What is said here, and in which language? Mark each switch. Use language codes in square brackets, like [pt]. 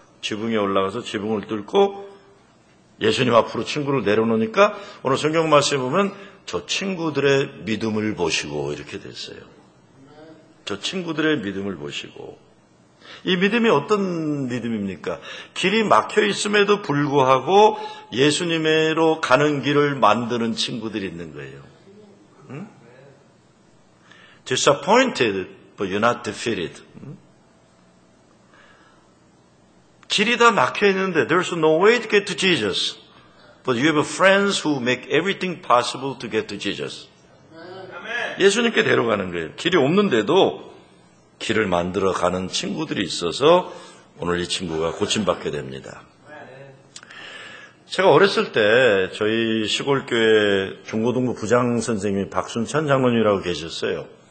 [ko] 지붕에 올라가서 지붕을 뚫고 예수님 앞으로 친구를 내려놓으니까 오늘 성경 말씀에 보면 저 친구들의 믿음을 보시고 이렇게 됐어요. 저 친구들의 믿음을 보시고. 이 믿음이 어떤 믿음입니까? 길이 막혀 있음에도 불구하고 예수님으로 가는 길을 만드는 친구들이 있는 거예요. 응? [en] Disappointed, but you're not defeated. [ko] 길이 다 막혀 있는데 [en] there's no way to get to Jesus. But you have friends who make everything possible to get to Jesus. [ko] 예수님께 데려가는 거예요. 길이 없는데도 길을 만들어가는 친구들이 있어서 오늘 이 친구가 고침받게 됩니다. 제가 어렸을 때 저희 시골교회 중고등부 부장선생님이 박순찬 장로님이라고 계셨어요.